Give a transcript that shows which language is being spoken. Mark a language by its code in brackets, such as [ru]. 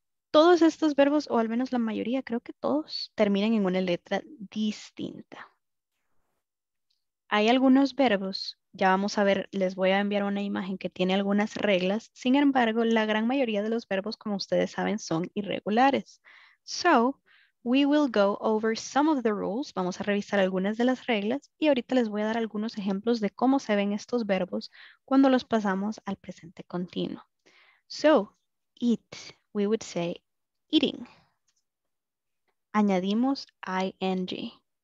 [es] Todos estos verbos, o al menos la mayoría, creo que todos, terminan en una letra distinta. Hay algunos verbos, ya vamos a ver, les voy a enviar una imagen que tiene algunas reglas. Sin embargo, la gran mayoría de los verbos, como ustedes saben, son irregulares. [en] So, we will go over some of the rules. [es] Vamos a revisar algunas de las reglas y ahorita les voy a dar algunos ejemplos de cómo se ven estos verbos cuando los pasamos al presente continuo. [en] So, eat, we would say eating. [es] Añadimos ing.